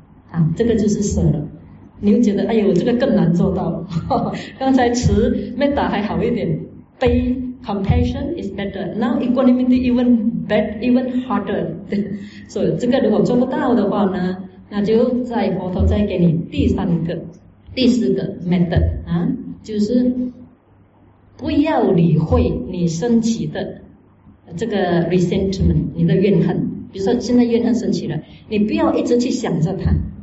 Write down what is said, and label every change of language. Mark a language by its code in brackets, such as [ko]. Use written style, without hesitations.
[zh] 啊，这个就是舍了。你又觉得，哎呦，这个更难做到。刚才持 metta 还好一点，悲 [en] compassion is better. Now equanimity even better, even harder. [zh] 所以这个如果做不到的话呢，那就再佛陀再给你第三个、第四个 metta 啊，就是不要理会你升起的这个 resentment， 你的怨恨。比如说现在怨恨升起了，你不要一直去想着它。